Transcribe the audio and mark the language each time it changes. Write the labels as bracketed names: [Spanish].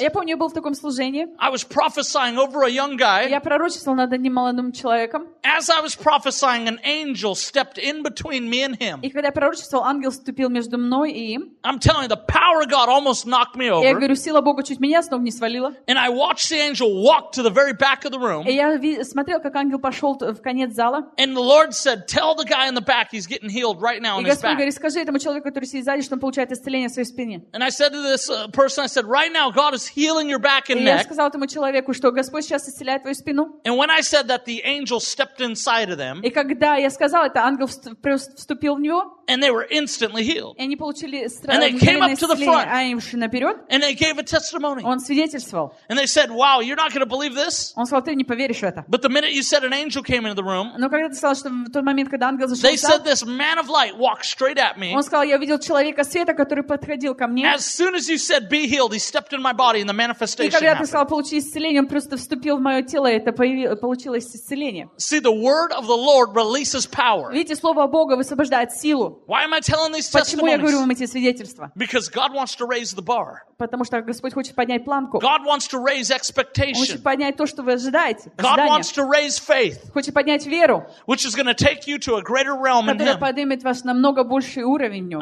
[Russian] Я помню, я был в таком служении. [English] I was prophesying over a young guy. [Russian] Я пророчествовал над одним молодым человеком. [English] As I was prophesying, an angel stepped in between me and him. [Russian] И когда я пророчествовал, ангел вступил между мной и им. [English] I'm telling you, the power of God almost knocked me over. [Russian] Я говорю, сила Бога чуть меня с ног не свалила. [English] And I watched the angel walk to the very back of the room. [Russian] И я смотрел, как ангел пошел в конец зала. [English] And the Lord said, "Tell the guy in the back he's getting healed right now in his back." [Russian] И Господь говорит, скажи этому человеку, который сидит сзади, что он получает исцеление в своей спине. [English] And I said to this person, I said, "Right now, God is healing your back and neck." [Russian] И я сказал этому человеку, что Господь сейчас исцеляет твою спину. [English] And when I said that, the angel stepped inside of them. [Russian] И когда я сказал это, ангел вступил в него. [English] And they were instantly healed. [Russian] И они получили [English] And they came up to the front. [Russian] А им шли наперед. [English] And they gave a testimony. [Russian] Он свидетельствовал. [English] And they said, "Wow, you're not going to believe this." [Russian] Он сказал, ты не поверишь в это. [English] But the minute you said an angel came into the room. [Russian] Но когда ты сказал, что в тот момент, когда ангел зашел, [English] they said this man of light walked straight at me. [Russian] Он сказал, я увидел человека света, который подходил ко мне. [English] As soon as you said be healed, he stepped in my body and the manifestation happened. [Russian] И когда ты сказал получи исцеление, он просто вступил в мое тело, и это получилось исцеление. [English] See, the word of the Lord releases power. [Russian] Видите, слово Бога высвобождает силу. [English] Why am I telling these testimonies? [Russian] Почему я говорю вам эти свидетельства? [English] Because God wants to raise the bar. [Russian] Потому что Господь хочет поднять планку. [English] God wants to raise expectation. [Russian] Он хочет поднять то, что вы ожидаете. [English] God wants to raise faith. [Russian] Хочет поднять веру. [English] Which is going to take you to a greater realm in Him. [Russian] Которая поднимет вас на намного больший уровень в Нем.